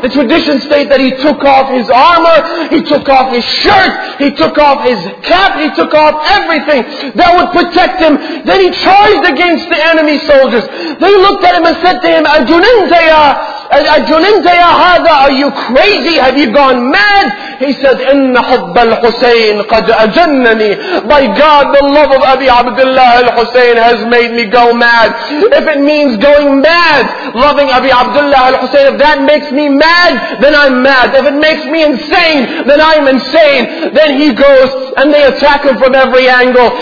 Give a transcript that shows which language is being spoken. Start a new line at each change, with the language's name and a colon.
English: The traditions state that he took off his armor, he took off his shirt, he took off his cap, he took off everything that would protect him. Then he charged against the enemy soldiers. They looked at him and said to him,
Arabic: أَجُنِنْتَ يَا هَذَا,
English: are you crazy? Have you gone mad? He said,
Arabic: إِنَّ حُبَّ الْحُسَيْنِ قَدْ أَجَنَّنِي.
English: By God, the love of Abi Abdullah al-Husayn has made me go mad. If it means going mad, loving Abi Abdullah al-Husayn, if that makes me mad, then I'm mad. If it makes me insane, then I'm insane. Then he goes, and they attack him from every angle.